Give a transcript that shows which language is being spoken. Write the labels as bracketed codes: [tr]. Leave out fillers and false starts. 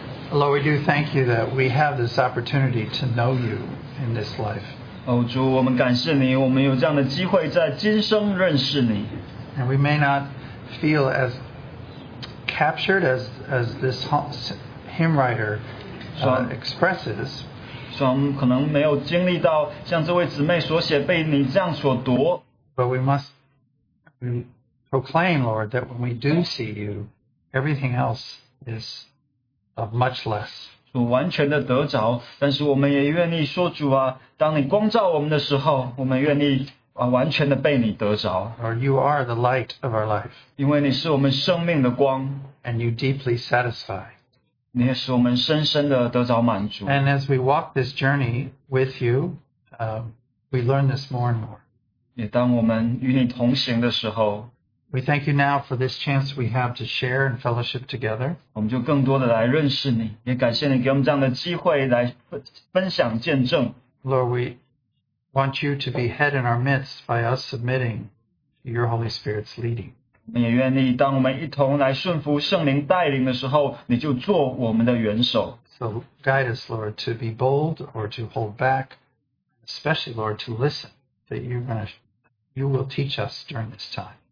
[en] Lord, we do thank you that we have this opportunity to know you in this life. [zh] 哦，主，我们感谢你，我们有这样的机会在今生认识你。 [en] And we may not feel as captured as this hymn writer expresses. [zh] 虽然我们可能没有经历到像这位姊妹所写被你这样所读。 [en] But we must proclaim, Lord, that when we do see you, everything else is of much less. [zh] 主完全的得着，但是我们也愿意说，主啊，当你光照我们的时候，我们愿意啊完全的被你得着。 [en] Or you are the light of our life. [zh] 因为你是我们生命的光。 [en] And you deeply satisfy. [zh] 你也使我们深深的得着满足。 [en] And as we walk this journey with you, we learn this more and more. [zh] 也当我们与你同行的时候。 [en] We thank you now for this chance we have to share and fellowship together. [zh] 我们就更多的来认识你，也感谢你给我们这样的机会来分享见证。 [en] Lord, we want you to be head in our midst by us submitting to your Holy Spirit's leading. [zh] 我们也愿意当我们一同来顺服圣灵带领的时候，你就做我们的元首。 [en] So guide us, Lord, to be bold or to hold back, especially, Lord, to listen that you will teach us during this time.